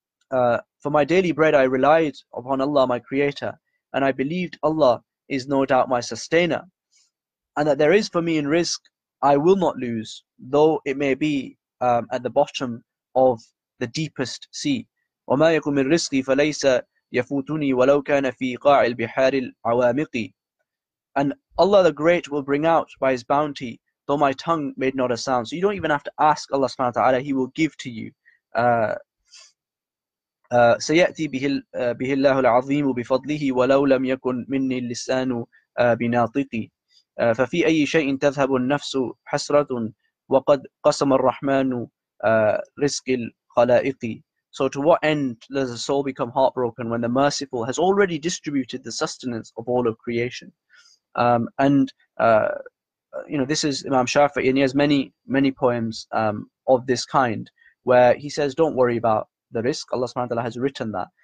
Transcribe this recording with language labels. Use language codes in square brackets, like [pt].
[en] For my daily bread I relied upon Allah my creator, and I believed Allah is no doubt my sustainer, and that there is for me in risk I will not lose, though it may be at the bottom of the deepest sea. [ar] وما يكون من رزقي فليس يفوتني ولو كان في قاع البحار العوامق. [en] And Allah the Great will bring out by His bounty, though my tongue made not a sound. So you don't even have to ask Allah subhanahu wa ta'ala, He will give to you. [ar] سيأتي به الله العظيم بفضله ولو لم يكن مني اللسان بناطقي. ففي أي شيء تذهب النفس حسرة وقد قسم الرحمن رزق الخلائق. [en] So to what end does a soul become heartbroken when the merciful has already distributed the sustenance of all of creation? You know, this is Imam Shafi'i, and he has many, many poems of this kind. where he says, "Don't worry about the risk. Allah subhanahu wa ta'ala has written that."